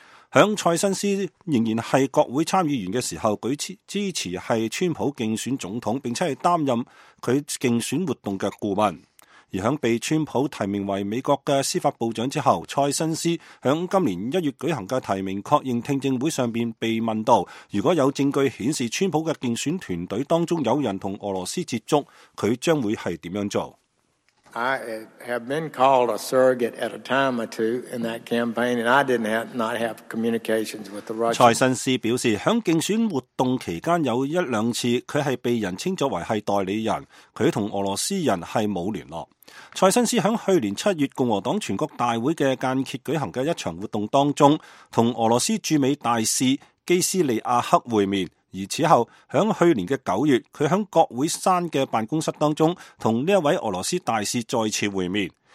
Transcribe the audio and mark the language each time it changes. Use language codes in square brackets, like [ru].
[zh] 在蔡申斯仍然是国会参议员的时候，他支持是川普竞选总统，并且担任他竞选活动的顾问。而在被川普提名为美国的司法部长之后，蔡申斯在今年1月举行的提名确认听证会上面被问到，如果有证据显示川普的竞选团队当中有人同俄罗斯接触，他将会是怎样做。 [en] I have been called a surrogate at a time or two in that campaign and I didn't have not have communications with the Russians. [zh] 蔡申斯表示，在竞选活动期间有一两次他是被人称作为是代理人，他同俄罗斯人是没有联络。蔡申斯在去年7月共和党全国大会的间歇举行的一场活动当中，同俄罗斯驻美大使基斯利亚克会面，而此后在去年的9月，他在国会山的办公室当中同这位俄罗斯大使再次会面。